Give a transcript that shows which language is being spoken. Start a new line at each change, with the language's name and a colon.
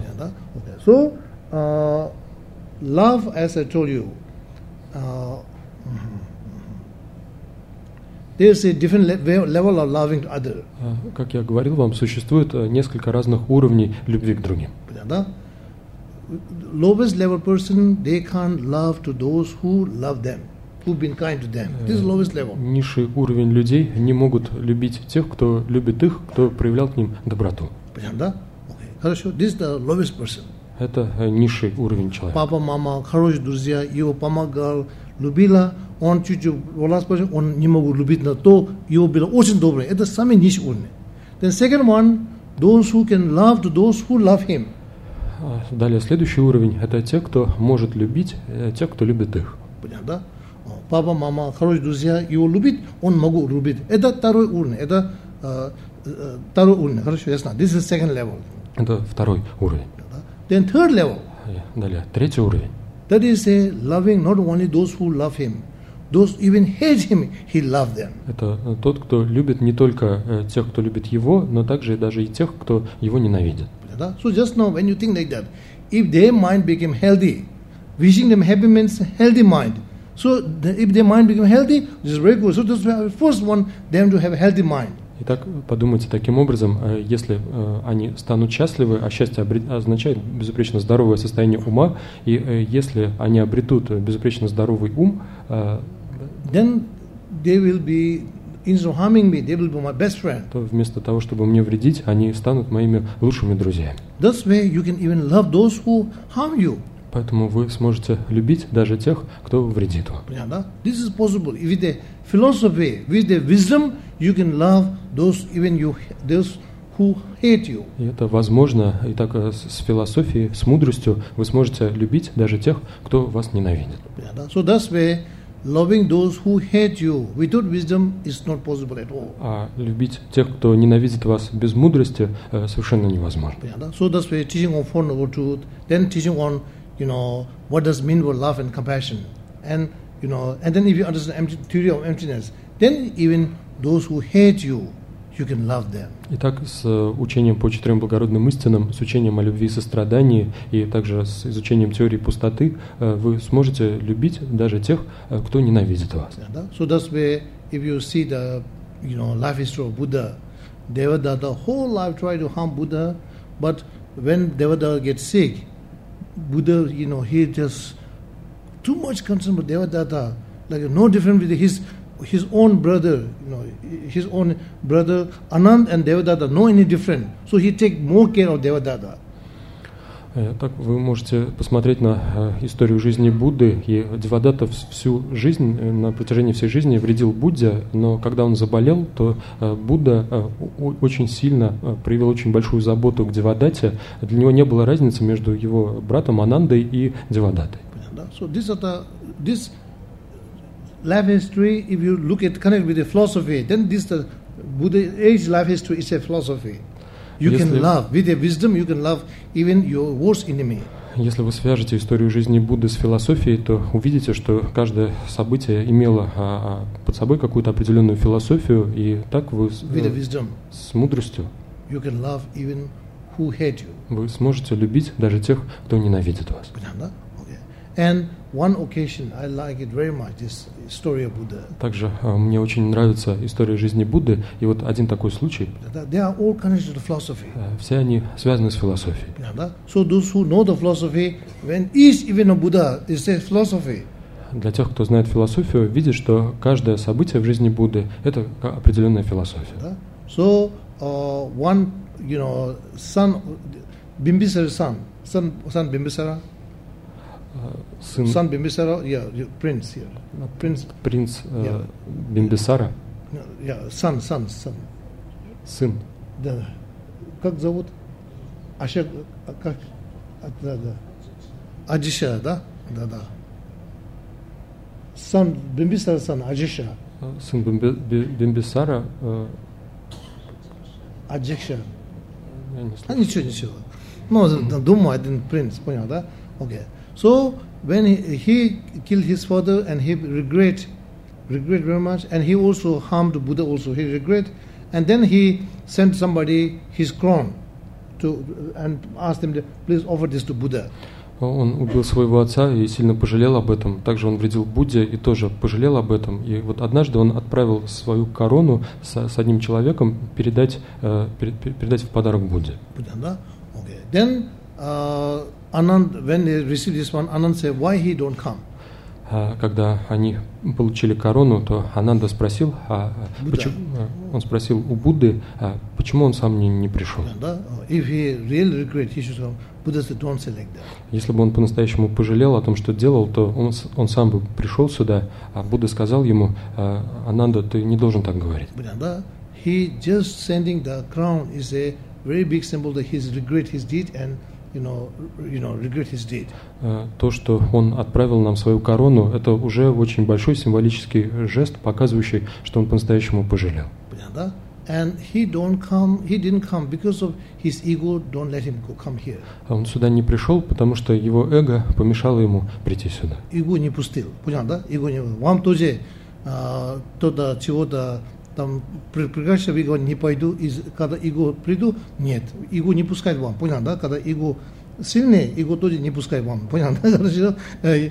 English: Yeah,
Russian: да?
English: Okay. So, love, as I told you, there's a different level of loving to other.
Russian: Как я говорил вам, существует несколько разных уровней любви к другим. Понял, да?
English: Lowest level person, they can't love to those who love them, who've been kind to them. This is lowest level.
Russian: Низший уровень людей не могут любить тех, кто любит их, кто проявлял к ним доброту. Понятно, да?
English: Okay.
Russian: Хорошо.
English: This is the lowest person.
Russian: Это низший уровень человека. Папа, мама, хорошие друзья, его помогал, любила. Он чуть-чуть волос пошел, он не могут любить на то, его было очень добрый. Это самый низший уровень.
English: Then second one, those who can love to those who love him.
Russian: Далее, следующий уровень – это те, кто может любить, те, кто любит их. Понятно, да? Папа, мама, хорошие друзья, его любит, он могу любить. Это второй уровень, это второй уровень. Хорошо, ясно?
English: This is second level.
Russian: Это второй уровень. Да?
English: Then third level.
Russian: Далее, третий уровень.
English: That is a loving not only those who love him. Those even hate him, he loved them.
Russian: Это тот, кто любит не только тех, кто любит его, но также и даже и тех, кто его ненавидит. Да?
English: So just now, when you think like that, if their mind became healthy, wishing them happy means healthy mind. So if their mind became healthy, this is very good. So this is the first one, them to have a healthy mind.
Russian: Итак, подумайте таким образом, если они станут счастливы, а счастье означает безупречно здоровое состояние ума, и если они обретут безупречно здоровый ум,
English: then they will be, instead of harming me, they will be my best friend.
Russian: То вместо того, чтобы мне вредить, они станут моими лучшими друзьями.
English: That's why you can even love those who harm you.
Russian: Поэтому вы сможете любить даже тех, кто вредит вам. Понятно, да?
English: This is possible. If with the philosophy, with the wisdom, you can love those even you, those who hate you.
Russian: И это возможно. Итак, с философией, с мудростью, вы сможете любить даже тех, кто вас ненавидит. Понятно, да?
English: So that's why loving those who hate you without wisdom is not possible at all.
Russian: А любить тех, кто ненавидит вас без мудрости, совершенно невозможно. Понятно, да?
English: So that's why teaching on Four Noble Truths, then teaching on, you know, what does mean for love and compassion, and you know, and then if you understand empty, theory of emptiness, then even those who hate you, you can love them.
Russian: Итак, с учением по четырем благородным истинам, с учением о любви и сострадании, и также с изучением теории пустоты, вы сможете любить даже тех, кто ненавидит вас.
English: Yeah, that? So that's where if you see the, you know, life history of Buddha, Devadatta whole life tried to harm Buddha, but when Devadatta gets sick, Buddha, you know, he just too much concern about Devadatta, like no different with his own brother, you know, his own brother Anand and Devadatta, no any different. So he take more care of Devadatta.
Russian: Так вы можете посмотреть на историю жизни Будды, и Девадатта всю жизнь, на протяжении всей жизни вредил Будде, но когда он заболел, то Будда очень сильно проявил очень большую заботу к Девадатте. Для него не было разницы между его братом Анандой и Девадаттой.
English: So this is the, this life history, if you look at, connect with the philosophy, then this the Buddha age life history is a philosophy. You can love with your wisdom. You can love even your worst enemy.
Russian: Если вы свяжете историю жизни Будды с философией, то увидите, что каждое событие имело под собой какую-то определенную философию, и так вы с мудростью
English: you can love even who hate you.
Russian: Вы сможете любить даже тех, кто ненавидит вас.
English: And one occasion, I like it very much, this story of Buddha.
Russian: Также мне очень нравится история жизни Будды, и вот один такой случай.
English: They are all connected to the philosophy.
Russian: Все они связаны с философией.
English: Yeah,
Russian: да?
English: So those who know the philosophy, when each even a Buddha is a philosophy.
Russian: Для тех, кто знает философию, видит, что каждое событие в жизни Будды – это определенная философия.
English: Yeah,
Russian: да?
English: So one, you know, son, Bimbisara's son Bimbisara.
Russian: Сын
English: Бимбисара, yeah, prince, yeah.
Russian: Принц Бимбисара. Сын. Сын. Да. Как зовут? Ашак, как? Да. Аджиша, да? Да. Сын Бимбисара, сын Аджиша. Сын Бимбисара. Аджиша. я не слышал. А ничего, ничего. Ну, думаю, один принц, понял, да?
English: Okay. So, when he killed his father and he regret very much, and he also harmed Buddha also, he regret, and then he sent somebody his crown to and asked him to please offer this to Buddha.
Russian: Он убил своего отца и сильно пожалел об этом. Также он вредил Будде и тоже пожалел об этом. И вот однажды он отправил свою корону с одним человеком передать в подарок Будде. Будда, да?
English: Okay. Then Anand, when they received this one, Anand said, why he don't come?
Russian: Когда они получили корону, то Ананда спросил, он спросил у Будды, почему он сам не пришел.
English: If he really regret, he should come. Buddha said, don't say like that.
Russian: Если бы он по-настоящему пожалел о том, что делал, то он сам бы пришел сюда, а Будда сказал ему, Ананда, ты не должен так говорить.
English: Buddha, he just sending the crown is a very big symbol that he's regret his deed and regret his deed.
Russian: То, что он отправил нам свою корону, это уже очень большой символический жест, показывающий, что он по-настоящему пожалел.
English: And he don't come, he didn't come because of his ego. Don't let him come here.
Russian: Он сюда не пришел, потому что его эго помешало ему прийти сюда. Его не пустил, понял, да? Его не. Вам тоже туда чего-то там прикажешь, вы говорите, не пойду. Когда его приду, нет, его не пускает вам, понял, да? Когда его сильнее, его тоже не пускает вам, понял, да?